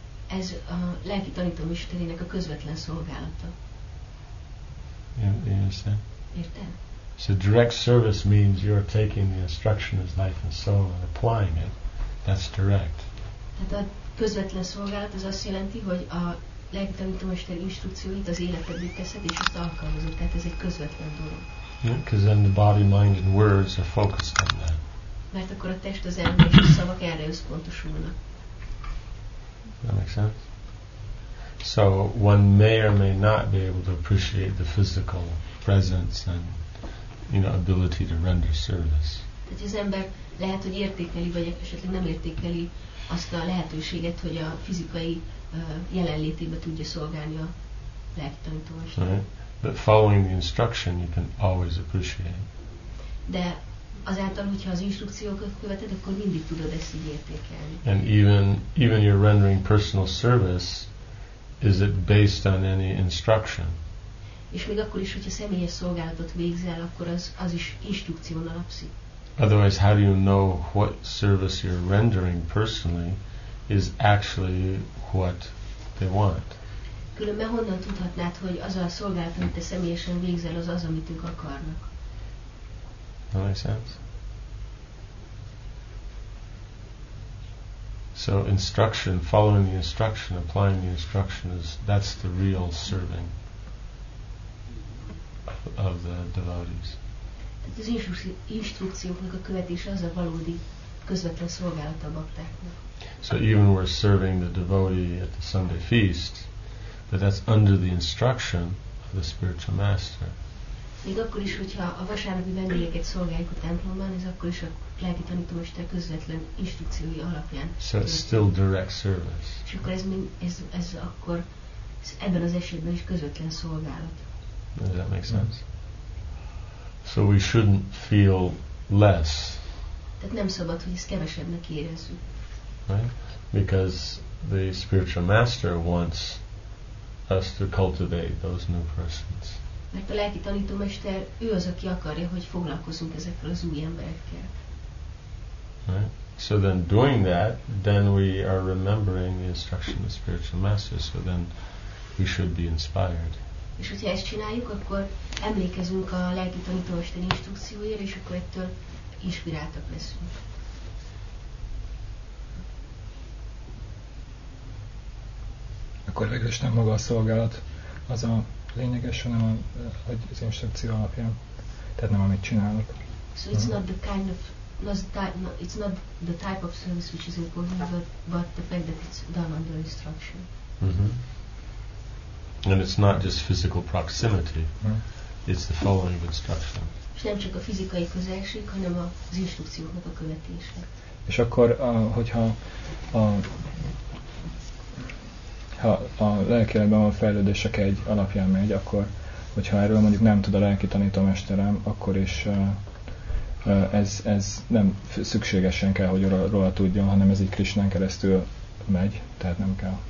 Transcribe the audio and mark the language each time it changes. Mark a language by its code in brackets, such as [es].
[hu] Ez a lelki tanító mesterének a közvetlen szolgálata. [en] You understand? [hu] Értem. [en] So direct service means you're taking the instruction as life and soul and applying it. That's direct. [hu] Tehát a közvetlen szolgálat az azt jelenti, hogy a lelki tanító mester instrukcióit az életedbe teszed és azt alkalmazod. Tehát ez egy közvetlen dolog. [en] Yeah, because then the body, mind and words are focused on that. [hu] Mert akkor a test, az elme és a szavak erre összpontosulnak. [en] That makes sense. So one may or may not be able to appreciate the physical presence and, you know, ability to render service. [hu] Tehát az ember lehet, hogy értékeli, vagy esetleg nem értékeli azt a lehetőséget, hogy a fizikai jelenlétébe tudja szolgálni a lelki tanítóst. [en] But following the instruction, you can always appreciate. [hu] De azáltal, hogyha az instrukciókat követed, akkor mindig tudod ezt így értékelni. [en] And even you're rendering personal service, is it based on any instruction? [hu] És még akkor is, hogyha személyes szolgálatot végzel, akkor az is instrukción alapszik. [en] Otherwise, how do you know what service you're rendering personally is actually what they want? [hu] Különben honnan tudhatnád, hogy az a szolgálat, amit te személyesen végzel, az, amit ők akarnak? [en] That makes sense. So instruction, following the instruction, applying the instruction that's the real serving of the devotees. [hu] Tehát az instrukcióknak a követése az a valódi közvetlen szolgálat a baktáknak. [en] So even we're serving the devotee at the Sunday feast, but that's under the instruction of the spiritual master. [hu] Még akkor is, hogyha a vasárnapi vendégeket szolgáljuk a templomban, ez akkor is a lelki tanítómester közvetlen instrukciói alapján. [en] So it's still direct service. [hu] És akkor ez akkor ez ebben az esetben is közvetlen szolgálat. [en] Does that make sense? So we shouldn't feel less. [hu] Tehát nem szabad, hogy ezt kevesebbnek érezzük. [en] Right? Because the spiritual master wants us to cultivate those new persons. [hu] Mert a lelki tanítómester, ő az, aki akarja, hogy foglalkozzunk ezekkel az új emberekkel. [en] Right? So then doing that, then we are remembering the instruction of the spiritual master, so then we should be inspired. [hu] És hogyha ezt csináljuk, akkor emlékezünk a lelki tanítómester instrukciójára, és akkor ettől inspiráltak leszünk. Akkor végül is nem maga a szolgálat az a lényeges, hanem az instrukció alapján, tehát nem amit csinálok. [en] So it's not the kind of, it's not the type of service which is important, but the fact that it's done under instruction. Mm-hmm. And it's not just physical proximity, it's the following of instruction. [hu] És nem csak a fizikai közelség, hanem az instrukcióknak a követése. És akkor, hogyha a lelkileben van fejlődés, csak egy alapján megy, akkor, hogyha erről mondjuk nem tud a lelki tanítómesterem, akkor is ez nem szükségesen kell, hogy róla tudjon, hanem ez így Krisnán keresztül megy, tehát nem kell.